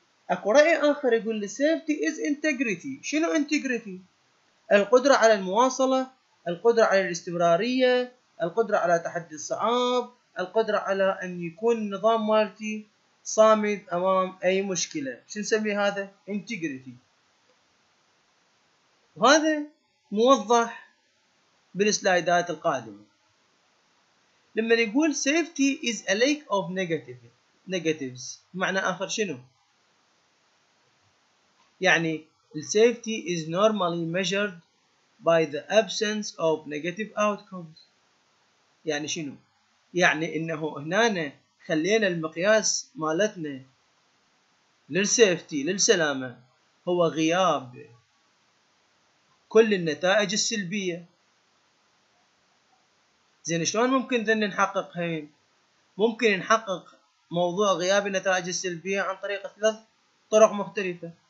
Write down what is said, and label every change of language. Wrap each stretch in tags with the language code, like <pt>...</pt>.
<ar>أكو رأي آخر يقول السيفتي</ar> <en>is integrity،</en> <ar>شنو integrity؟ القدرة على المواصلة، القدرة على الاستمرارية، القدرة على تحدي الصعاب، القدرة على أن يكون نظام مالتي صامد أمام أي مشكلة. شو نسمي هذا؟ integrity. وهذا موضح بالسلايدات القادمة. لما يقول</ar> <en>safety is a lack of negatives،</en> <ar>معنى آخر شنو؟ يعني</ar> <en>safety is normally measured by the absence of negative outcomes.</en> <ar>يعني شنو؟ يعني إنه هنا خلينا المقياس مالتنا للسيفتي للسلامة هو غياب كل النتائج السلبية. زين شلون ممكن ذن نحقق هين؟ ممكن نحقق موضوع غياب النتائج السلبية عن طريق ثلاث طرق مختلفة.</ar>